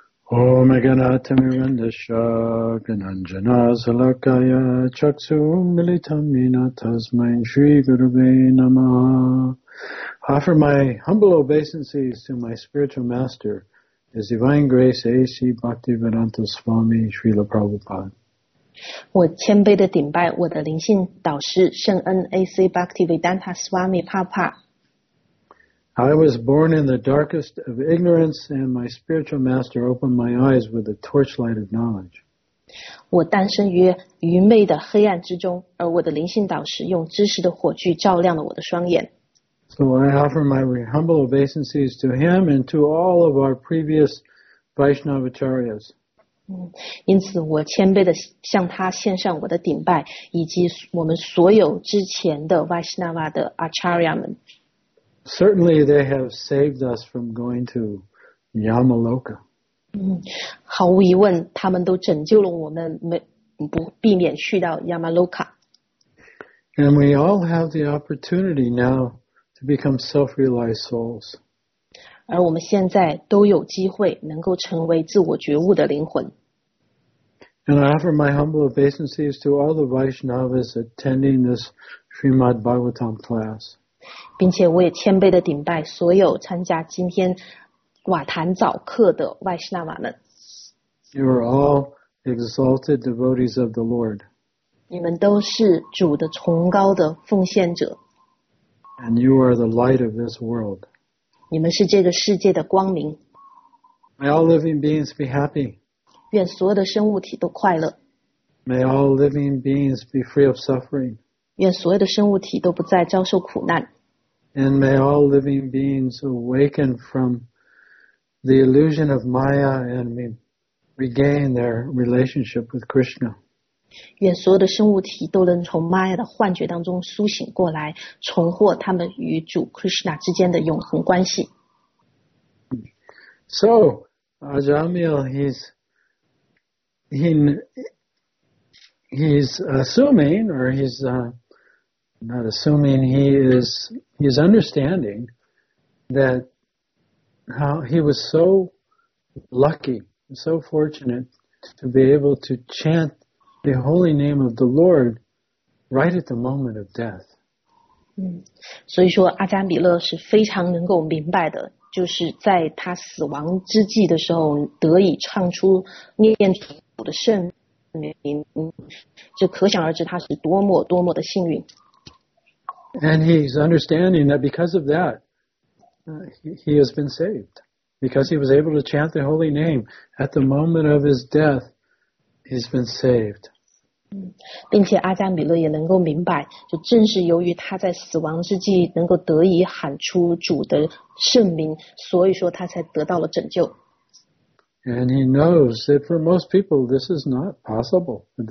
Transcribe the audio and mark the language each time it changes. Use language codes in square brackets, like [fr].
[sa] Om Aganata Mirandasha Gananjana Salakaya Chaksum Militamina Tasmain Shri Gurave Namaha. [en] Offer my humble obeisances to my spiritual master, His Divine Grace A.C. Bhaktivedanta Swami Srila Prabhupada. [zh] 我谦卑地顶拜我的灵性导师圣恩 A.C. Bhaktivedanta Swami Prabhupada. [en] I was born in the darkest of ignorance, and my spiritual master opened my eyes with the torchlight of knowledge. [zh] 我诞生于愚昧的黑暗之中，而我的灵性导师用知识的火炬照亮了我的双眼。 [en] So I offer my humble obeisances to him and to all of our previous Vaishnavacharyas. [zh] 因此我谦卑地向他献上我的顶拜，以及我们所有之前的 Vaishnava 的 Acharya 们。 [en] Certainly, they have saved us from going to Yamaloka. [zh] 毫无疑问，他们都拯救了我们，不避免去到 Yamaloka. [en] And we all have the opportunity now to become self-realized souls. [zh] 而我们现在都有机会能够成为自我觉悟的灵魂。 [en] And I offer my humble obeisances to all the Vaishnavas attending this Srimad Bhagavatam class. [zh] 并且我也谦卑地顶拜所有参加今天瓦坛早课的外士纳瓦们。 [en] You are all exalted devotees of the Lord. [zh] 你们都是主的崇高的奉献者。 [en] And you are the light of this world. [zh] 你们是这个世界的光明。 [en] May all living beings be happy. [zh] 愿所有的生物体都快乐。 [en] May all living beings be free of suffering. [zh] 愿所有的生物体都不再遭受苦难。 [en] And may all living beings awaken from the illusion of Maya and regain their relationship with Krishna. [zh] 愿所有的生物体都能从 Maya 的幻觉当中苏醒过来，重获他们与主 Krishna 之间的永恒关系。 [en] So, Ajamil, he's assuming, or he's not assuming, he's understanding that how he was so lucky, so fortunate to be able to chant the holy name of the Lord right at the moment of death. [zh] 所以说阿加米勒是非常能够明白的，就是在他死亡之际的时候得以唱出念主的圣名，这可想而知他是多么多么的幸运。 [en] And he's understanding that because of that, he has been saved. Because he was able to chant the holy name at the moment of his death, he's been saved. [zh] 并且阿加米勒也能够明白，就正是由于他在死亡之际能够得以喊出主的圣名，所以说他才得到了拯救。 [en] And he knows that for most people this is not possible.